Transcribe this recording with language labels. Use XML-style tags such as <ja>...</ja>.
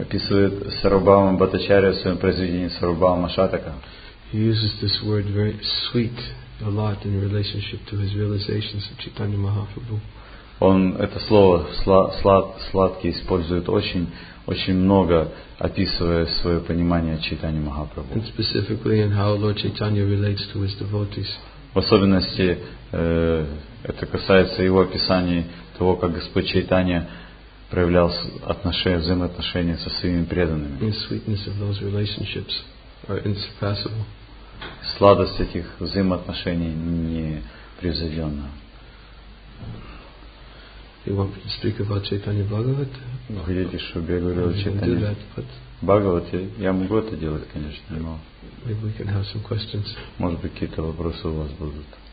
<ru>Описывает Сарвабхаума Бхаттачарья в своем произведении Сарвабхаума Шатака.</ru> <en>He uses this word very sweet a lot in relationship to his realizations of Chaitanya Mahaprabhu.</en> <ru>Он это слово сладкий использует очень, очень много, описывая свое понимание Чайтанья Махапрабху.</ru> <en>And specifically in how Lord Chaitanya relates to his devotees.</en> <ru>В особенности это касается его описания того, как Господь Чайтанья проявлял взаимоотношения со своими преданными.</ru> <en>The sweetness of those relationships are insurpassable.</en> <ru>Сладость этих взаимоотношений непревзойдённа.</ru> <en>You want me to speak about Chaitanya Bhagavat?</en> <ru>Ну, хотите, чтобы я говорил о Чайтанье Бхагавате? Я могу это делать, конечно, но...</ru> <en>Maybe we can have some questions.</en> <ru>Может быть, какие-то вопросы у вас будут.</ru>